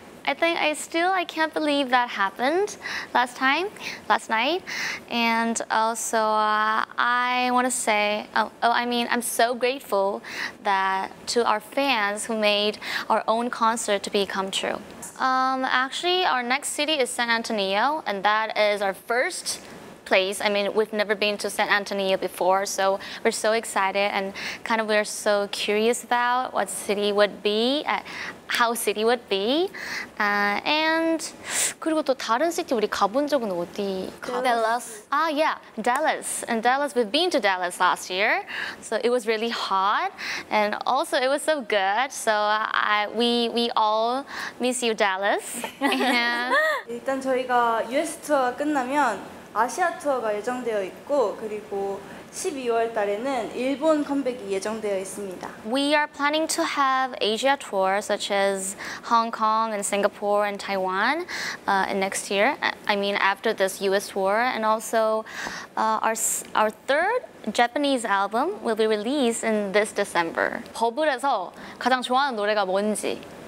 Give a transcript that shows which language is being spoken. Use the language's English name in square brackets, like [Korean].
[English] I can't believe that happened last night, and also I want to say, I'm so grateful that to our fans who made our own concert to become true. Actually, our next city is San Antonio, and that is our first place. I mean, we've never been to San Antonio before, so we're so excited and kind of we're so curious about what city would be, how city would be. [Korean] And 그리고 또 다른 시티 우리 가본 적은 어디? [English] Dallas. Ah, yeah, Dallas. And Dallas, we've been to Dallas last year, so it was really hot, and also it was so good. So we all miss you, Dallas. Yeah. [Korean] 일단 저희가 US 투어가 끝나면. 아시아 투어가 예정되어 있고 그리고 12월 달에는 일본 컴백이 예정되어 있습니다. [English] We are planning to have Asia tour such as Hong Kong and Singapore and Taiwan next year. I mean after this US tour and also our third Japanese album will be released in this December. [Korean] 버블에서 가장 좋아하는 노래가 뭔지?